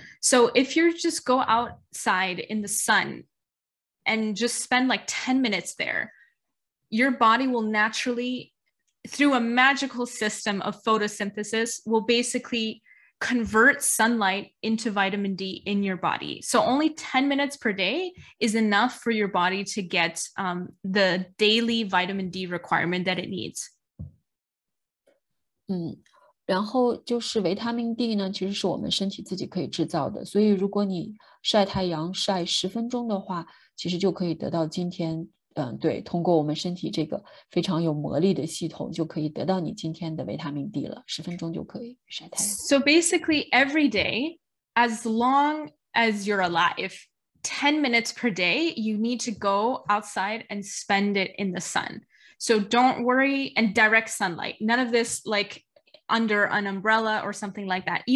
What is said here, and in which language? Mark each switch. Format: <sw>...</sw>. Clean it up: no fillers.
<en>So if you just go outside in the sun and just spend like 10 minutes there, your body will naturally, through a magical system of photosynthesis, will basically convert sunlight into vitamin D in your body. So only 10 minutes per day is enough for your body to get the daily vitamin D requirement that it needs.</en> <zh>然后就是维他命 D 呢，其实是我们身体自己可以制造的。所以如果你晒太阳晒十分钟的话，其实就可以得到今天，对，通过我们身体这个非常有魔力的系统，就可以得到你今天的维他命 D 了。十分钟就可以晒太阳。</zh> <en>So basically, every day, as long as you're alive, 10 minutes per day, you need to go outside and spend it in the sun. So don't worry, and direct sunlight. None of this, like,under an umbrella or something like that.</en>